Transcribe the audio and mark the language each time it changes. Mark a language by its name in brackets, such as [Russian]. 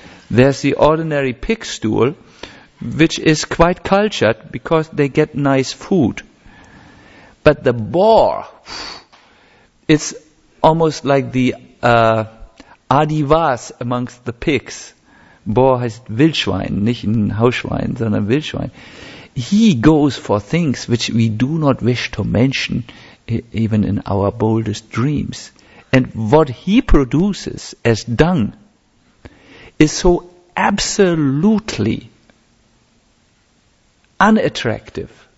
[English] There's the ordinary pig stool, which is quite cultured because they get nice food. But the boar, it's almost like the Adivas amongst the pigs. [German] Boar heißt Wildschwein, nicht ein Hausschwein, sondern Wildschwein. [English] He goes for things which we do not wish to mention, even in our boldest dreams. And what he produces as dung is so absolutely unattractive.